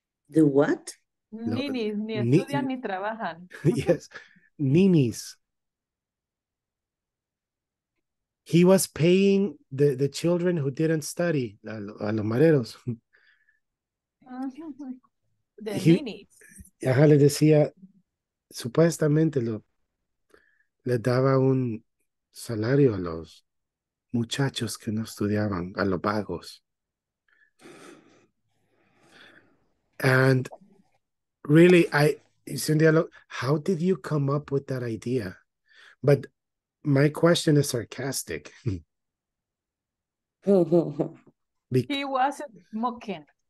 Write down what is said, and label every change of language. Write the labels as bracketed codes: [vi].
[es] estudian ni trabajan. [en] Yes, ninis. He was paying the children who didn't study, [es] a los mareros. [en] The ninis. [es] Ajá, le decía, supuestamente le daba un salario a los muchachos que no estudiaban, a los vagos. [en] And really, how did you come up with that idea? But my question is sarcastic. He wasn't smoking.